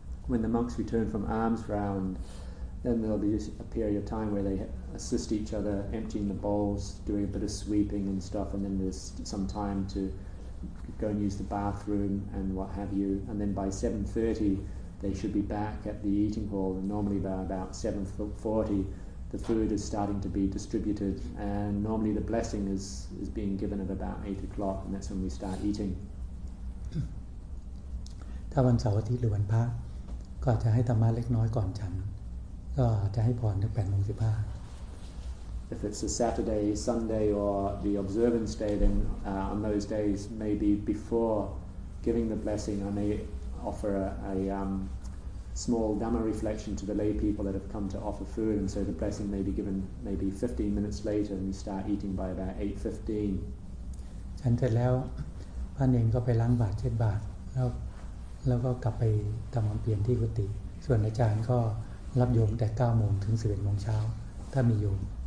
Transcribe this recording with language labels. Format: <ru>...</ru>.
<en>When the monks return from alms round, then there'll be a period of time where they assist each other, emptying the bowls, doing a bit of sweeping and stuff, and then there's some time to go and use the bathroom and what have you. And then by 7:30, they should be back at the eating hall, and normally by about 7:40, the food is starting to be distributed, and normally the blessing is being given at about 8 o'clock, and that's when we start eating.</en> <th>ถ้าวันเสาร์อาทิตย์หรือวันพระก็จะให้ธรรมะเล็กน้อยก่อนฉันก็จะให้พรถึง8:15</th> <en>If it's a Saturday, Sunday or the observance day then on those days maybe before giving the blessing I may offer a small Dhamma reflection to the lay people that have come to offer food and so the blessing may be given maybe 15 minutes later and we start eating by about 8:15</en> <th>ฉันเสร็จแล้วพระเนรก็ไปล้างบาตรเช็ดบาตรแล้วก็กลับไปทำความเปลี่ยนที่กุฏิส่วนอาจารย์ก็รับโยมแต่9:00ถึง11:00เช้าถ้ามีโยม</th>